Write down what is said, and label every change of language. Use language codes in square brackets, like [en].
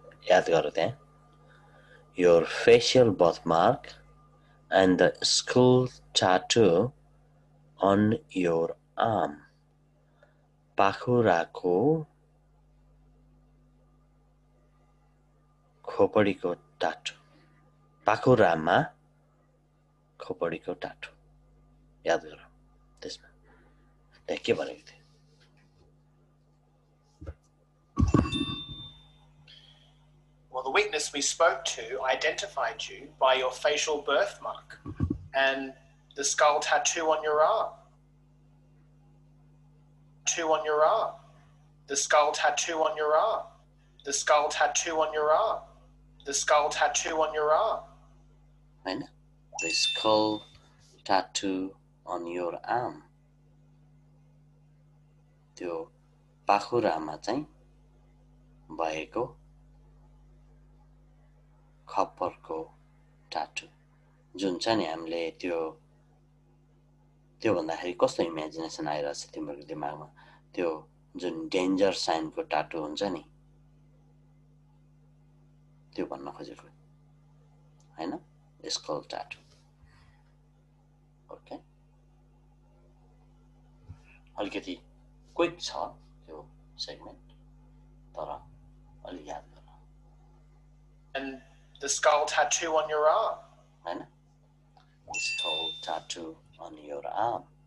[ne] याद गर त्यहाँ [en] your facial birthmark and the school tattoo on your arm [ne] पाखुराको खोपडीको टाटु पाखुरामा खोपडीको टाटु याद गर त्यसमा त्यहाँ के भनेको थियो [en] Well, the witness we spoke to identified you by your facial birthmark and the skull tattoo on your arm. Two on your arm. The skull tattoo on your arm. The skull tattoo on your arm. The skull tattoo on your arm. And the skull tattoo on your arm. [ne] त्यो पाखुरामा चाहिँ भएको खप्परको टाटु जुन छ नि हामीले त्यो त्यो भन्दाखेरि कस्तो इमेजिनेसन आइरहेको छ तिम्रो दिमागमा त्यो जुन डेन्जर साइनको टाटु हुन्छ नि त्यो भन्न खोजेको होइन स्कल टाटु ओके अलिकति क्विक छ त्यो सेगमेन्ट तर अलिक याद गर [en] The skull tattoo on your arm. The skull tattoo on your arm.